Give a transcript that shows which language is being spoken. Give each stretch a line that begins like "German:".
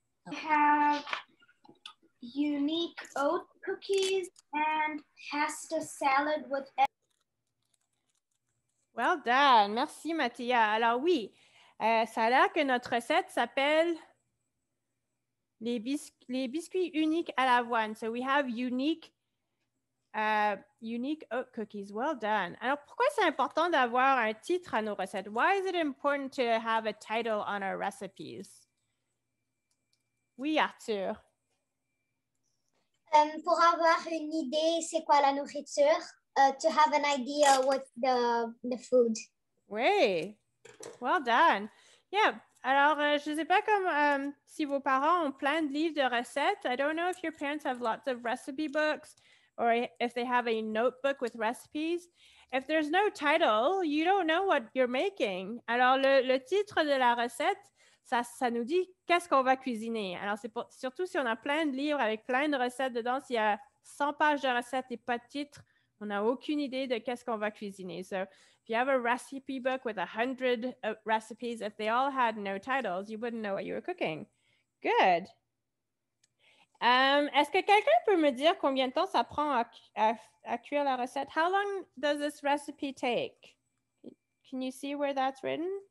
English: We have unique oat cookies and pasta salad with egg. Well done.
French: Merci, Mattia. Alors, oui. Ça a l'air que notre recette s'appelle les biscuits uniques à l'avoine.
English: So we have unique oat cookies. Well done.
French: Alors, pourquoi c'est important d'avoir un titre à nos recettes?
English: Why is it important to have a title on our recipes? Oui, Arthur.
French: Pour avoir une idée, c'est quoi la nourriture?
English: To have an idea what the food. Oui. Well done. Yeah.
French: Alors, je ne sais pas comme si vos parents ont plein de livres de recettes.
English: I don't know if your parents have lots of recipe books or if they have a notebook with recipes. If there's no title, you don't know what you're making.
French: Alors, le titre de la recette, ça nous dit qu'est-ce qu'on va cuisiner. Alors, c'est surtout si on a plein de livres avec plein de recettes dedans. S'il y a 100 pages de recettes et pas de titre, on n'a aucune idée de qu'est-ce qu'on va cuisiner.
English: So, if you have a recipe book with 100 recipes, if they all had no titles, you wouldn't know what you were cooking. Good.
French: Est-ce que quelqu'un peut me dire combien de temps ça prend à cuire la recette?
English: How long does this recipe take? Can you see where that's written?